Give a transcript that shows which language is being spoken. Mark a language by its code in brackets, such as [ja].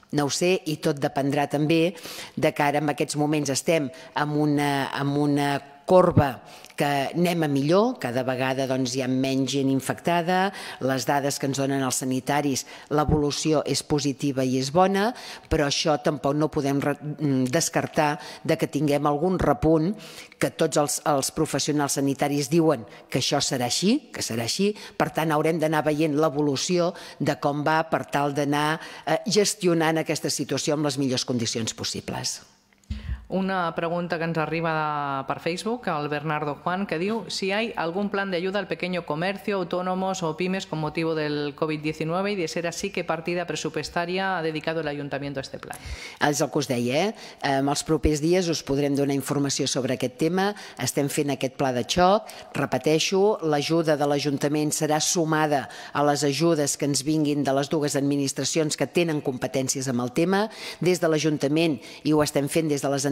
[ca] No ho sé, i tot dependrà també de que ara en aquests moments estem en una corba que anem a millor, cada vegada doncs, hi ha menys gent infectada, les dades que ens donen els sanitaris, l'evolució és positiva i és bona, però això tampoc no podem descartar de que tinguem algun repunt, que tots els professionals sanitaris diuen que això serà així, que serà així. Per tant, haurem d'anar veient l'evolució de com va per tal d'anar gestionant aquesta situació amb les millors condicions possibles. Una pregunta que ens arriba per Facebook, [es] el Bernardo Juan, que diu: si hay algún plan de ayuda al pequeño comercio, autónomos o pymes con motivo del COVID-19, i de ser así, ¿qué partida presupuestaria ha dedicado el ayuntamiento a este plan? [ca] És el que us deia, eh? En els propers dies us podrem donar informació sobre aquest tema. Estem fent aquest pla de xoc. Repeteixo, l'ajuda de l'Ajuntament serà sumada a les ajudes que ens vinguin de les dues administracions que tenen competències amb el tema. Des de l'Ajuntament, i ho estem fent des de les